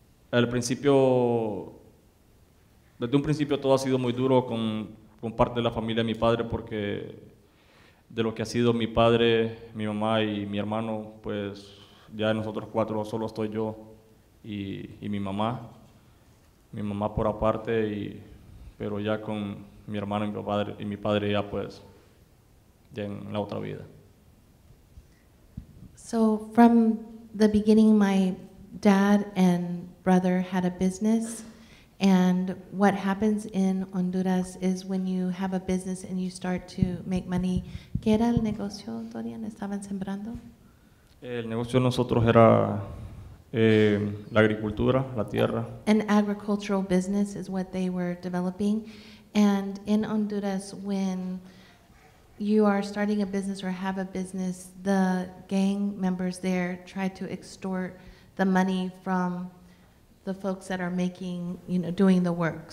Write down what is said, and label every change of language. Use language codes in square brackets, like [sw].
[es] Al principio, desde un principio todo ha sido muy duro con parte de la familia de mi padre, porque de lo que ha sido mi padre, mi mamá y mi hermano, pues ya de nosotros cuatro solo estoy yo y mi mamá por aparte, y, pero ya con mi hermano y mi padre ya pues ya en la otra vida. [en] So from the beginning, my dad and brother had a business, and what happens in Honduras is when you have a business and you start to make money. [es] ¿Qué era el negocio, Dorian? ¿Estaban sembrando? El negocio de nosotros era la agricultura, la tierra. [en] An agricultural business is what they were developing. And in Honduras, when you are starting a business or have a business, the gang members there try to extort the money from the folks that are making, you know, doing the work.